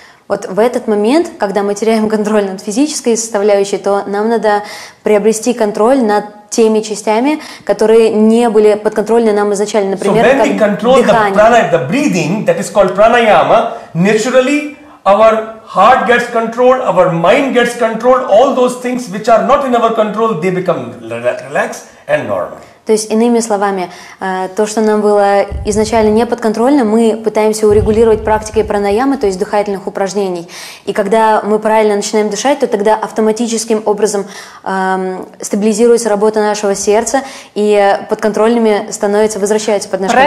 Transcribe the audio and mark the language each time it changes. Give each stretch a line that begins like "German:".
Russian: Вот в этот момент, когда мы теряем контроль над физической составляющей, то нам надо приобрести контроль над теми частями, которые не были подконтрольны нам изначально, например, как дыхание.
English: So when we control the prana, the breathing, that is called pranayama, naturally our heart gets controlled, our mind gets controlled, all those things which are not in our control, they become relaxed and normal.
Russian: То есть, иными словами, то, что нам было изначально неподконтрольно, мы пытаемся урегулировать практикой пранаямы, то есть дыхательных упражнений. И когда мы правильно начинаем дышать, то тогда автоматическим образом стабилизируется работа нашего сердца, и подконтрольными становится, возвращается под наш